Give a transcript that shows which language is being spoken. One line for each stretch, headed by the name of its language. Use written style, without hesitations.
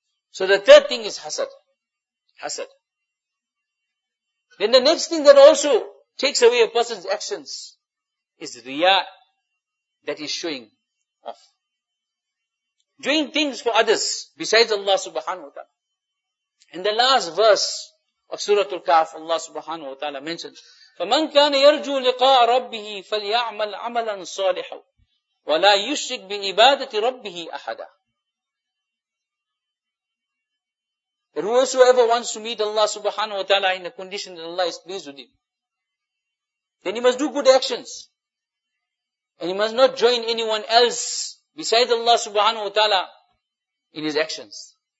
English: So the third thing is hasad. Hasad. Then the next thing that also takes away a person's actions is riya, that is showing off. Doing things for others besides Allah subhanahu wa ta'ala. In the last verse of Surah Al-Kahf, Allah subhanahu wa ta'ala mentions,
Arabic: فَمَنْ كَانَ يَرْجُو لِقَاءَ رَبِّهِ فَلْيَعْمَلْ عَمَلًا صَالِحًا وَلَا يُشْرِكْ بِعِبَادَةِ رَبِّهِ أَحَدًا.
English: Whosoever wants to meet Allah subhanahu wa ta'ala in the condition that Allah is pleased with him, then he must do good actions. And he must not join anyone else besides Allah subhanahu wa ta'ala in his actions.